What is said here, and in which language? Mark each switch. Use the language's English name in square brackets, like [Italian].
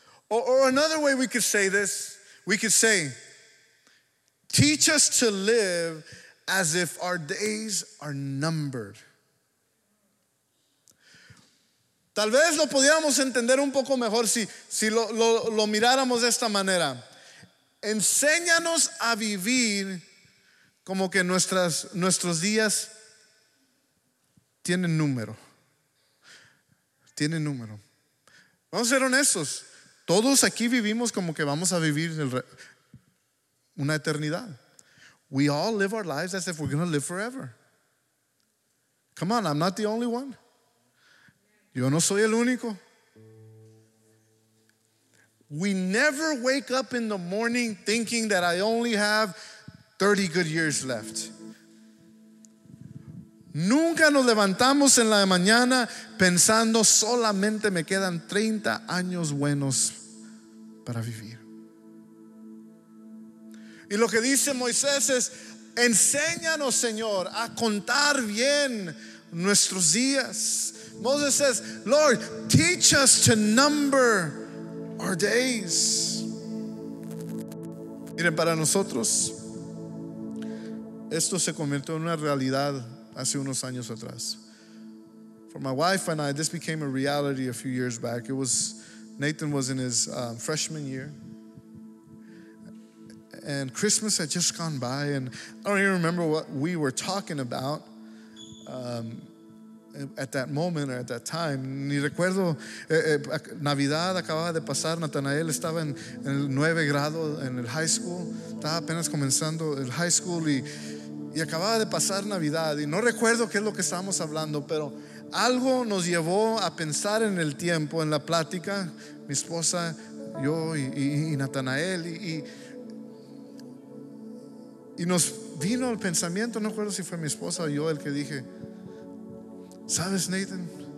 [English] Or another way we could say this, we could say, teach us to live as if our days are numbered. [Spanish] Tal vez lo podríamos entender un poco mejor si lo miráramos de esta manera. Enséñanos a vivir como que nuestros días tienen número. Vamos a ser honestos. Todos aquí vivimos como que vamos a vivir una eternidad. [English] We all live our lives as if we're going to live forever. Come on, I'm not the only one. [Spanish] Yo no soy el único. [English] We never wake up in the morning thinking that I only have 30 good years left. [Spanish] Nunca nos levantamos en la mañana pensando solamente me quedan 30 años buenos para vivir. Y lo que dice Moisés es, enséñanos, Señor, a contar bien nuestros días. [English] Moses says, Lord, teach us to number our days. [Spanish] Miren, para nosotros, esto se convirtió en una realidad hace unos años atrás. [English] For my wife and I, this became a reality a few years back. It was, Nathan was in his freshman year. And Christmas had just gone by, and I don't even remember what we were talking about at that moment or at that time. [Spanish] Ni recuerdo, Navidad acababa de pasar, Nathanael estaba en el 9 grado en el high school, estaba apenas comenzando el high school y acababa de pasar Navidad, y no recuerdo qué es lo que estábamos hablando, pero algo nos llevó a pensar en el tiempo, en la plática, mi esposa, yo y Nathanael, y nos vino el pensamiento, no recuerdo si fue mi esposa o yo el que dije, ¿sabes, Nathan?